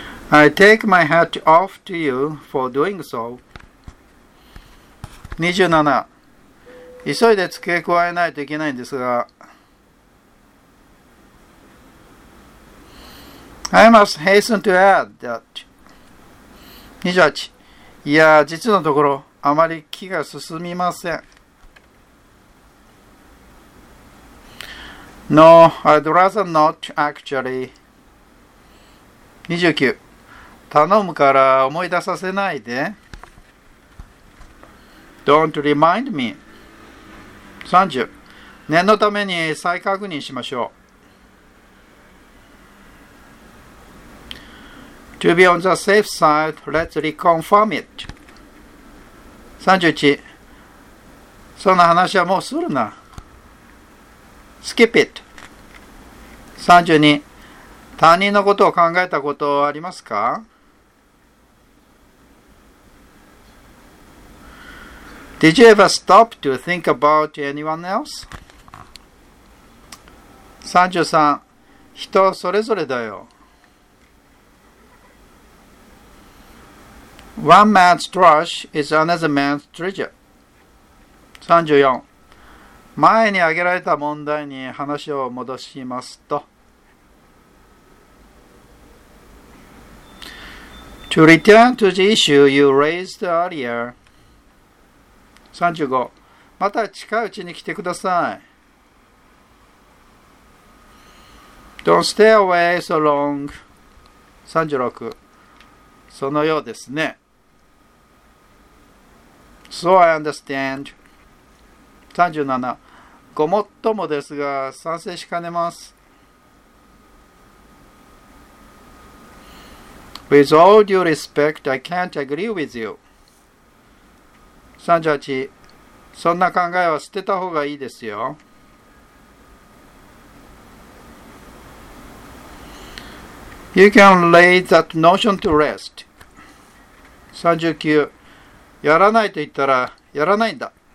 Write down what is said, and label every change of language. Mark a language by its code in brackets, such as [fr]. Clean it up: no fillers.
[en] I take my hat off to you for doing so. 27. [ja] 急いで付け加えないといけないんですが。 [en] I must hasten to add that. 28. [ja] いや、実のところ、あまり気が進みません。 [en] No, I'd rather not, actually. 29. [ja] 頼むから思い出させないで。 [en] Don't remind me. 30. [ja] 念のために再確認しましょう。 [en] To be on the safe side, let's reconfirm it. 31. [ja] その話はもうするな。 [en] Skip it. 32. [ja] 他人のことを考えたことありますか？ [en] Did you ever stop to think about anyone else? [ja] 33. 人それぞれだよ。 [en] One man's trash is another man's treasure. 34. [ja] 前に挙げられた問題に話を戻しますと。 [en] To return to the issue you raised earlier. 35. [ja] また近いうちに来てください。 [en] Don't stay away so long. 36. [ja] そのようですね。 [en] So I understand. 37. [ja] ごもっともですが、賛成しかねます。 [en] With all due respect, I can't agree with you. 38. [ja] そんな考えは捨てた方がいいですよ。 [en] You can lay that notion to rest. 39. [ja] やらないと言ったら、やらないんだ。